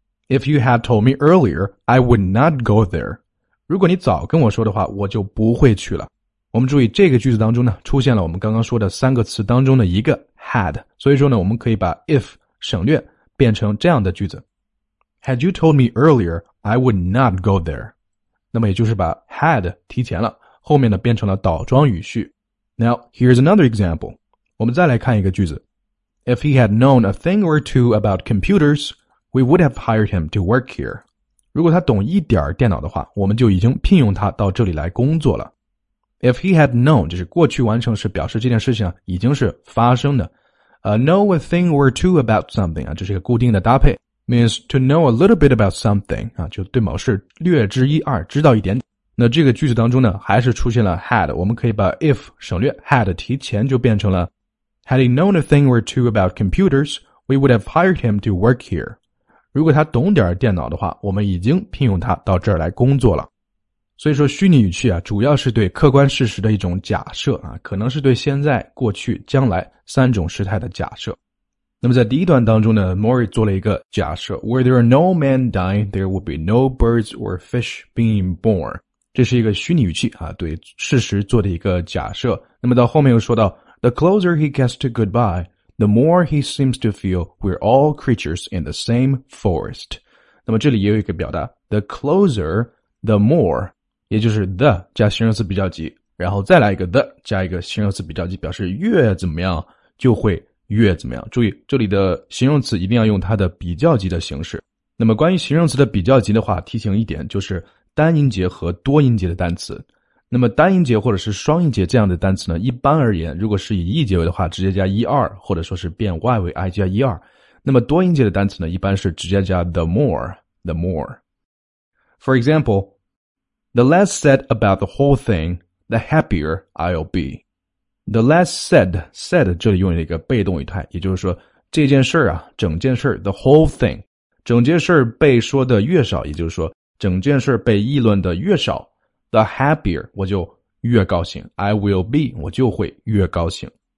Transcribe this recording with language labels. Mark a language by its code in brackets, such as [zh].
[en] If you had told me earlier, I would not go there. [zh] 如果你早跟我说的话，我就不会去了。我们注意这个句子当中呢，出现了我们刚刚说的三个词当中的一个 had。所以说呢，我们可以把 if 省略变成这样的句子。 [en] Had you told me earlier, I would not go there. [zh] 那么也就是把 had 提前了。后面呢变成了倒装语序。 [en] Now, here's another example. [zh] 我们再来看一个句子。 [en] If he had known a thing or two about computers, we would have hired him to work here. [zh] 如果他懂一点电脑的话，我们就已经聘用他到这里来工作了。 [en] If he had known, [zh] 就是过去完成时表示这件事情已经是发生的。 [en] Know a thing or two about something, [zh] 这是一个固定的搭配。 [en] Means to know a little bit about something, [zh] 就对某事略知一二，知道一点点。那这个句子当中呢还是出现了 had, 我们可以把 if 省略， had 提前就变成了 [en] Had he known a thing or two about computers, we would have hired him to work here. [zh] 如果他懂点电脑的话，我们已经聘用他到这儿来工作了。所以说虚拟语气啊，主要是对客观事实的一种假设啊，可能是对现在、过去、将来三种时态的假设。那么在第一段当中呢， Mori 做了一个假设， [en] Where there are no men dying, there would be no birds or fish being born. [zh] 这是一个虚拟语气啊，对事实做的一个假设。那么到后面又说到 [en] The closer he gets to goodbye, the more he seems to feel we're all creatures in the same forest. [zh] 那么这里也有一个表达 [en] The closer, the more, [zh] 也就是 the 加形容词比较级，然后再来一个 the 加一个形容词比较级，表示越怎么样就会越怎么样。注意这里的形容词一定要用它的比较级的形式。那么关于形容词的比较级的话，提醒一点，就是单音节和多音节的单词。那么单音节或者是双音节这样的单词呢，一般而言，如果是以 e 结尾的话，直接加 er, 或者说是变 y 为 i 加 er。那么多音节的单词呢，一般是直接加 the more。 [en] For example, the less said about the whole thing, the happier I'll be. The less said, said [zh] 这里用了一个被动语态，也就是说这件事啊，整件事 the whole thing, 整件事被说的越少，也就是说整件事被议论的越少， [en] the happier, [zh] 我就越高兴， [en] I will be, [zh] 我就会越高兴。